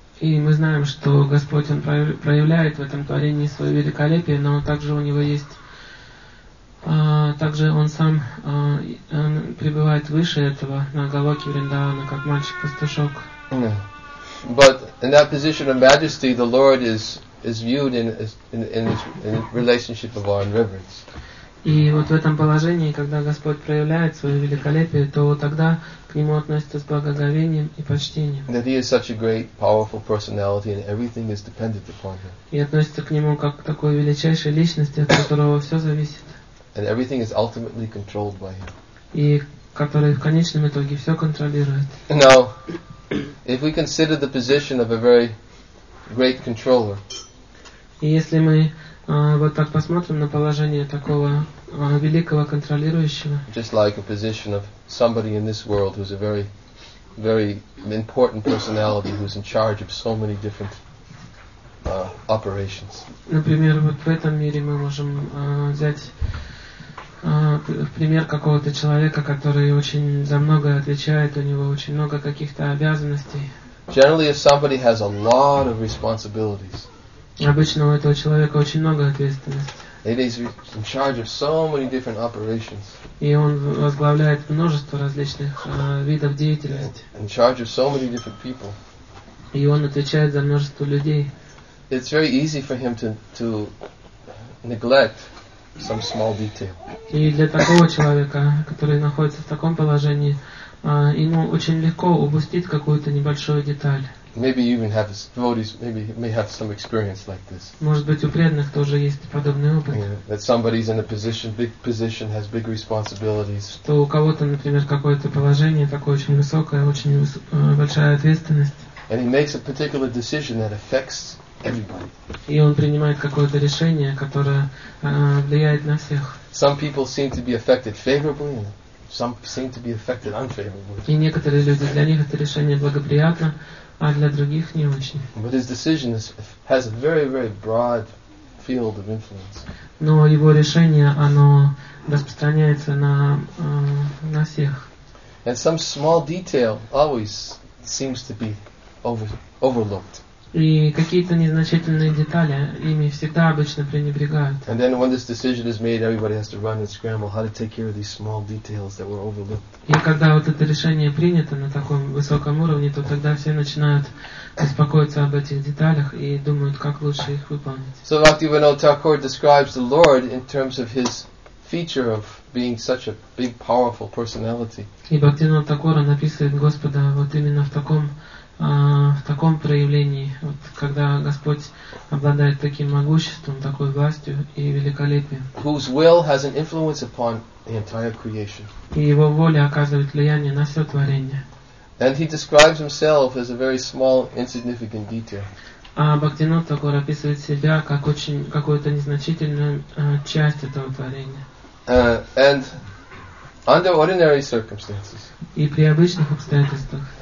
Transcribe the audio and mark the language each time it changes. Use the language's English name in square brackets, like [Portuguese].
[Russian] И мы знаем, что Господь он проявляет в этом творении свое великолепие, но также у него есть также он сам пребывает выше этого на Голоке Вриндавана, как мальчик-пастушок. [English] But in that position of majesty, the Lord is viewed in relationship of awe and reverence. [Russian] И вот в этом положении, когда Господь проявляет свое великолепие, то тогда к нему относятся с благоговением и почтением. [English] That he is such a great, powerful personality, and everything is dependent upon him. [Russian] И относятся к нему как к такой величайшей личности, от которого все зависит. [English] And everything is ultimately controlled by him. [Russian] И который в конечном итоге все контролирует. [English] Now, if we consider the position of a very great controller. [Russian] И если мы вот так посмотрим на положение такого великого контролирующего. [English] Just like a position of somebody in this world who's a very, very important personality who's in charge of so many different operations. [Russian] Например, вот в этом мире мы можем взять пример какого-то человека, который очень за многое отвечает, у него очень много каких-то обязанностей. [English] Generally, if somebody has a lot of responsibilities. [Russian] Обычно у этого человека очень много ответственности. [English] He is in charge of so many different operations. [Russian] И он возглавляет множество различных видов деятельности. [English] In charge of so many different people. [Russian] И он отвечает за множество людей. [English] It's very easy for him to neglect some small detail. [Russian] И для такого человека, который находится в таком положении, ему очень легко упустить какую-то небольшую деталь. [English] Maybe you even have devotees. Maybe may have some experience like this. [Russian] Может быть, у преданных тоже есть подобный опыт. [English] That somebody's in a position, big position, has big responsibilities. [Russian] Что у кого-то, например, какое-то положение такое очень высокое, очень большая ответственность. [English] And he makes a particular decision that affects everybody. [Russian] И он принимает какое-то решение, которое влияет на всех. [English] Some people seem to be affected favorably. Some seem to be affected unfavorably. [Russian] И некоторые люди для них это решение благоприятно. А для других не очень. [English] But his decision has a very, very broad field of influence. [Russian] Но его решение, оно распространяется на всех. [English] And some small detail always seems to be overlooked. [Russian] И какие-то незначительные детали ими всегда обычно пренебрегают. [English] And then when this decision is made, everybody has to run and scramble how to take care of these small details that were overlooked. [Russian] И когда вот это решение принято на таком высоком уровне, то тогда все начинают беспокоиться об этих деталях и думают, как лучше их выполнить. [English] So Bhaktivinoda Thakur describes the Lord in terms of his feature of being such a big, powerful personality. [Russian] И Бхактивинода Такур описывает Господа вот именно в таком проявлении, вот, когда Господь обладает таким могуществом, такой властью и великолепием. [English] Whose will has an influence upon the entire creation. [Russian] И его воля оказывает влияние на все творение. [English] And he describes himself as a very small, insignificant detail. [Russian] А Бхактинот Такур описывает себя как очень какую-то незначительную часть этого творения. [English] And under ordinary circumstances. [Russian] И при обычных обстоятельствах.